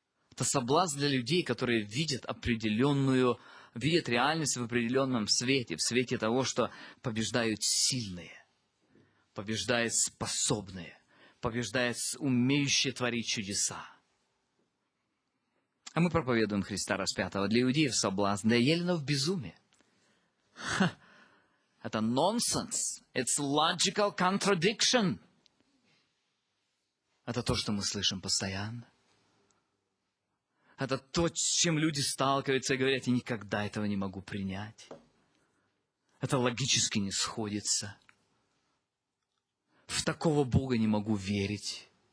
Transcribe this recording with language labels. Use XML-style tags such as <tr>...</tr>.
<ru>Это соблазн для людей, которые видят определенную, видят реальность в определенном свете, в свете того, что побеждают сильные, побеждают способные. Побеждает умеющие творить чудеса. А мы проповедуем Христа распятого. Для иудеев соблазн, для еленов безумие. Ха. Это нонсенс.</ru> <en>It's logical contradiction.</en> <ru>Это то, что мы слышим постоянно. Это то, с чем люди сталкиваются и говорят, я никогда этого не могу принять. Это логически не сходится. В такого Бога не могу верить.</ru>